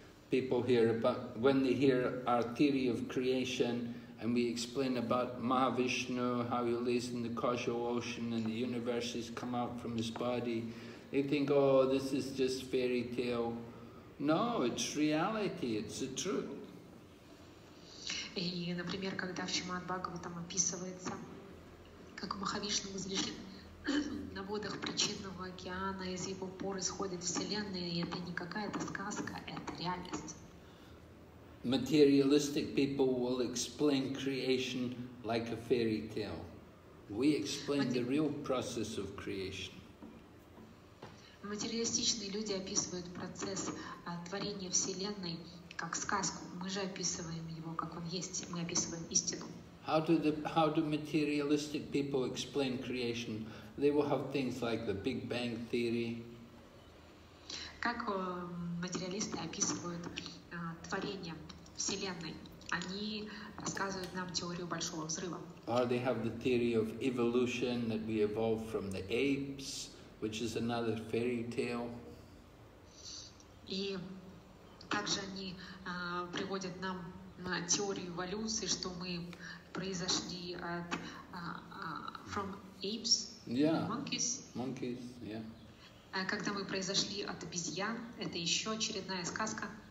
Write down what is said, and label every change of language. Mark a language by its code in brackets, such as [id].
[en] people hear about, when they hear our theory of creation and we explain about Mahavishnu, how he lays in the causal ocean and the universes come out from his body, they think, oh, this is just fairy tale. No, it's reality, it's the truth. [ru] И, например, когда в Шримад-Бхагаватам описывается, как Махавишну возлежит на водах причинного океана, из его пор исходит Вселенная, и это не какая-то сказка, это реальность. [en] Materialistic people will explain creation like a fairy tale. We explain the real process of creation. [ru] Материалистичные люди описывают процесс творения Вселенной как сказку. Мы же описываем его, как он есть. Мы описываем истину. [en] How do materialistic people explain creation? They will have things like the Big Bang theory. [ru] Как материалисты описывают творение Вселенной? Они рассказывают нам теорию Большого Взрыва. [en] Or they have the theory of evolution, that we evolved from the apes, which is another fairy tale. [ru] И также они приводят нам теорию эволюции, что мы произошли от [en] from apes, yeah. Monkeys. Monkeys, yeah. [ru] Когда мы произошли от обезьян, это еще очередная сказка.